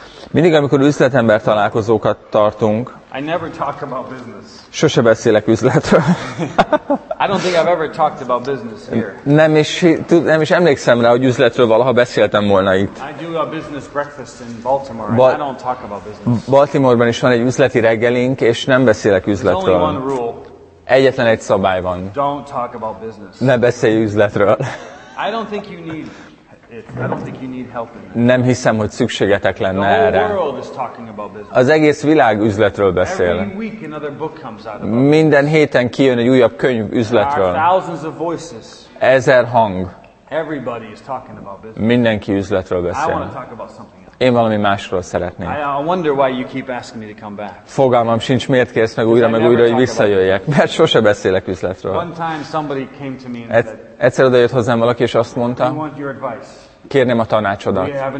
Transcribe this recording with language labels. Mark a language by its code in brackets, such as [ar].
[hu] Mindig, amikor üzletember találkozókat tartunk. [en] I never talk about business. [hu] Sose beszélek üzletről. [en] I don't think I've ever talked about business here. [hu] Nem is emlékszem rá, hogy üzletről valaha beszéltem volna itt. [en] I do a business breakfast in Baltimore. I don't talk about business. [hu] Baltimoreban is van egy üzleti reggelink, és nem beszélek üzletről. [en] There's only one rule. [hu] Egyetlen egy szabály van. [en] Don't talk about business. [hu] Ne beszélj üzletről. [en] I don't think you need it. I don't think you need help in that. [hu] Nem hiszem, hogy szükségetek lenne erre. [en] The whole world is talking about business. [hu] Az egész világ üzletről beszél. [en] Every week another book comes out about business. [hu] Minden héten kijön egy újabb könyv üzletről. [en] There are thousands of voices. [hu] Ezer hang. [en] Everybody is talking about business. [hu] Mindenki üzletről beszél. [en] I want to talk about something else. [hu] Én valami másról szeretnék. [en] I wonder why you keep asking me to come back. [hu] Fogalmam sincs, miért kérsz meg újra, hogy visszajöjjek. Mert sose beszélek üzletről. [en] One time somebody came to me and said, [hu] egyszer odajött hozzám valaki, és azt mondta, kérném a tanácsodat.